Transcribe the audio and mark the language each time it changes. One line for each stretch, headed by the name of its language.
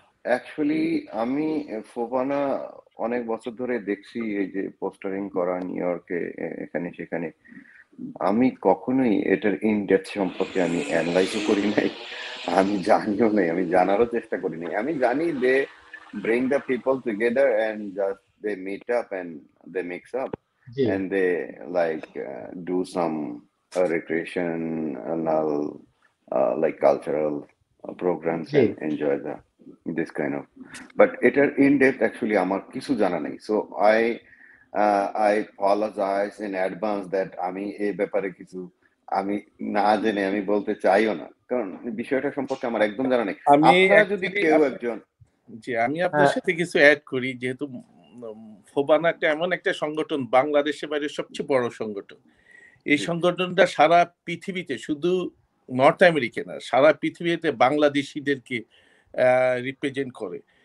Bangla: Actually আমি FOBANA অনেক বছর ধরে দেখছি, এই যে পোস্টারিং করা নিউ ইয়র্কে এখানে সেখানে, আমি কখনোই এটার ইন ডেপথ সম্পর্কে আমি অ্যানালাইজও করি নাই, আমি জানিও নাই, আমি জানারও চেষ্টা করি নাই। আমি জানি
English: they bring the people together and just they meet up and they mix up and they like do some recreation and all like cultural programs and enjoy the this kind of, but it are in depth actually
Bangla: amar kichu jana nei,
English: so I apologize in advance that
Bangla: ami e byapare kichu ami na jene ami bolte chai o na, karon bishoy ta somporke amar ekdom jana nei. ami apnara jodi keu ekjon জি, আমি আপনার হ্যাঁ সাথে কিছু add করি, যেহেতু FOBANA একটা এমন একটা সংগঠন বাংলাদেশের বাইরে সবচেয়ে বড় সংগঠন, এই সংগঠনটা সারা পৃথিবীতে, শুধু নর্থ আমেরিকা না, সারা পৃথিবীতে বাংলাদেশিদেরকে রিপ্রেজেন্ট করে।